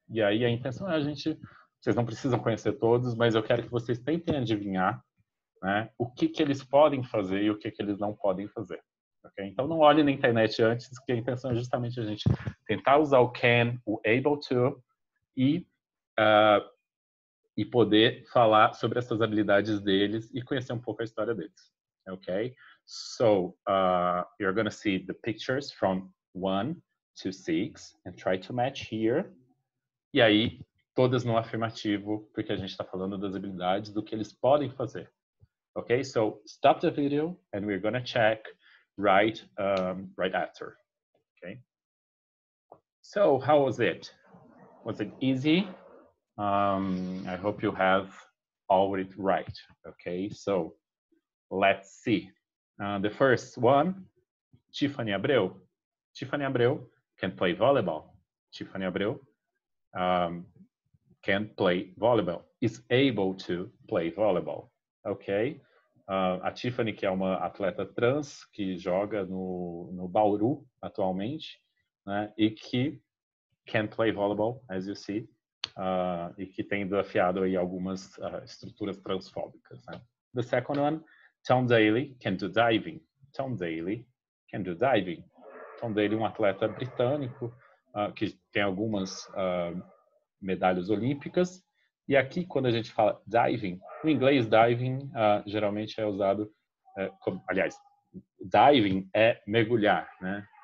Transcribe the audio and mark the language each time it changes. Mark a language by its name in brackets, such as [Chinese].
[Portuguese] E aí a intenção é a gente, vocês não precisam conhecer todos, mas eu quero que vocês tentem adivinhar, né, o que que eles podem fazer e o que que eles não podem fazer, ok? Então não olhem na internet antes, que a intenção é justamente a gente tentar usar o can, o able to, e poder falar sobre essas habilidades deles e conhecer um pouco a história deles, ok? [English] So, you're going to see the pictures from 1 to 6 and try to match here. [Portuguese] E aí, todas no afirmativo, porque a gente está falando das habilidades, do que eles podem fazer. [English] Okay, so stop the video and we're going to check right after. Okay. So, how was it? Was it easy? I hope you have all of it right. Okay, so let's see. The first one, Tiffany Abreu. Tiffany Abreu can play volleyball. Tiffany Abreu can play volleyball, is able to play volleyball, ok? [Portuguese] A Tiffany, que é uma atleta trans, que joga no Bauru atualmente, né, e que [English] can play volleyball, as you see, [Portuguese] e que tem desafiado aí algumas estruturas transfóbicas, né? [English] The second one, Tom Daley can do diving. Tom Daley can do diving. [Portuguese] Tom Daley, um atleta britânico, que tem algumas medalhas olímpicas. E aqui, quando a gente fala diving, no inglês, diving geralmente é usado, aliás, diving é mergulhar, né?